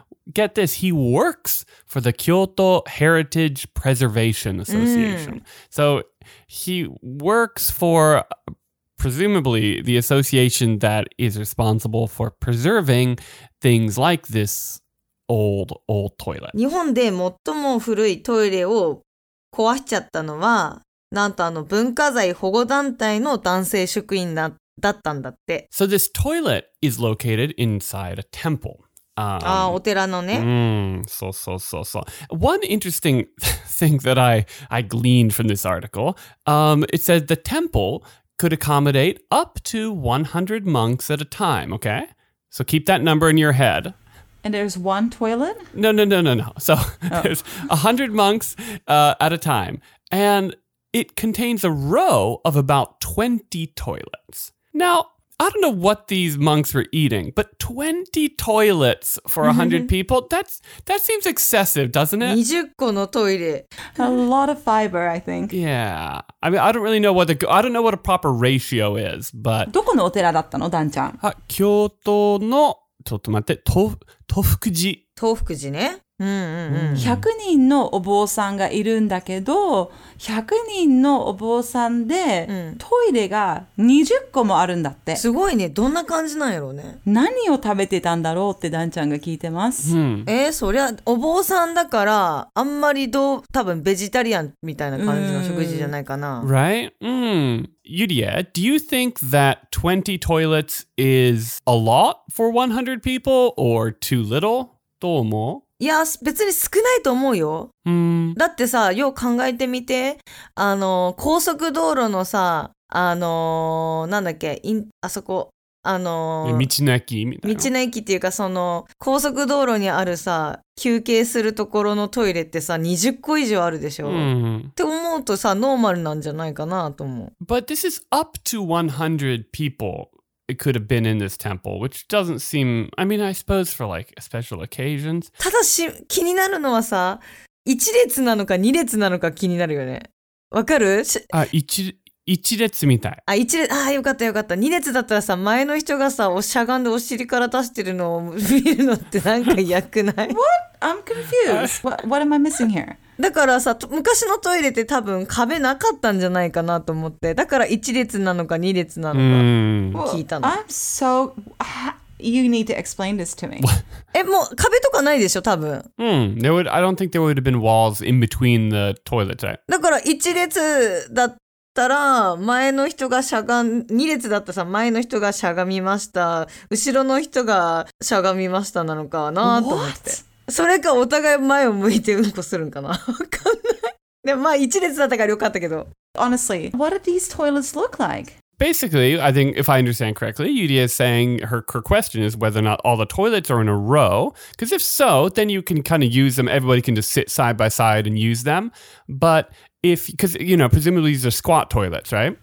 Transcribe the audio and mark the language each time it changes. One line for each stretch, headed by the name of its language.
English: Get this, he works for the Kyoto Heritage Preservation Association. Mm. So he works for, presumably, the association that is responsible for preserving things like this old, old toilet.
Japanese: 日本で最も古いトイレを壊しちゃったのは、なんとあの文化財保護団体の男性職員だったんだって。
English: So this toilet is located inside a temple.
Japanese: お寺のね。そう。
English: One interesting thing that I gleaned from this article, it said the temple could accommodate up to 100 monks at a time, okay? So keep that number in your head. And there's one toilet? No. So there's 100 monks at a time. And it contains a row of about 20 toilets. Now... I don't know what these monks were eating, but 20 toilets for 100 people, that seems excessive, doesn't it?
Japanese: 20個のトイレ。
English: A lot of fiber, I think. Yeah. I mean, I don't really know what a proper ratio is, but...
Japanese: どこのお寺だったの、ダンちゃん? 京都の、ちょっと待って、東福寺。東福寺ね。 100人のお坊さんがいるんだけど、100人のお坊さんで、トイレが20個もあるんだって。すごいね。どんな感じなんやろうね。何を食べてたんだろうってダンちゃんが聞いてます。そりゃ、お坊さんだから、あんまりどう、多分ベジタリアンみたいな感じの食事じゃないかな。
English: Right? Yuria, do you think that 20 toilets is a lot for 100 people or too little?
Japanese: どう思う? いや、別に少ないと思うよ。だってさ、よう考えてみて、高速道路のさ、なんだっけ、あそこ、道の駅みたいな。道の駅っていうか、その、高速道路にあるさ、休憩するところのトイレってさ、20個以上あるでしょ。って思うとさ、ノーマルなんじゃないかなと思う。
English: But this is up to 100 people. It could have been in this temple, which doesn't seem... I mean, I suppose for like special occasions.
Japanese: ただし、気になるのはさ、1列なのか2列なのか気になるよね。わかる? あ、1列みたい。あ、1列。あ、よかったよかった。 2列だったらさ、前の人がさ、しゃがんでお尻から出してるのを見るのってなんか嫌くない?
English: What? I'm confused. What am I missing here?
Japanese: だからさ、昔のトイレって多分壁なかったんじゃないかなと思って、だから1列なのか2列なのか聞いたの。
English: Well, I'm so... You need to explain this to me.
Japanese: もう壁とかないでしょ、多分。
English: I don't think there would have been walls in between the toilets, right?
Japanese: だから1列だったら、前の人がしゃがん、2列だったらさ、前の人がしゃがみました、後ろの人がしゃがみましたなのかなと思って。
English: What?
Japanese: それかお互い前を向いてうんこするんかな。わかんない。でもまあ一列だったから良かったけど。
English: Honestly, what do these toilets look like? Basically, I think if I understand correctly, Yuria is saying her question is whether or not all the toilets are in a row. Because if so, then you can kind of use them. Everybody can just sit side by side and use them. But if, because, you know, presumably these are squat toilets, right?